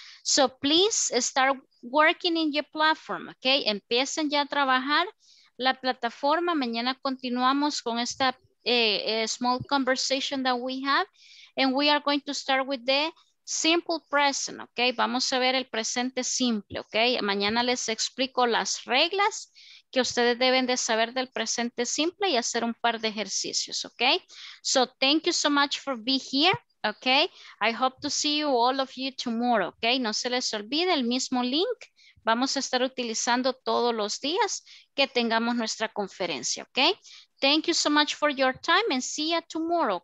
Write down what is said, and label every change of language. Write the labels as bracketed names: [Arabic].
[English] So please start working in your platform, okay? [Spanish] Empiecen ya a trabajar la plataforma. Mañana continuamos con esta [English] small conversation that we have. And we are going to start with the simple present, okay? [Spanish] Vamos a ver el presente simple, okay? Mañana les explico las reglas que ustedes deben de saber del presente simple y hacer un par de ejercicios, okay? [English] So thank you so much for being here. Okay, I hope to see you all of you tomorrow. [Spanish] Okay, no se les olvide el mismo link. Vamos a estar utilizando todos los días que tengamos nuestra conferencia. [English] Okay, thank you so much for your time and see you tomorrow.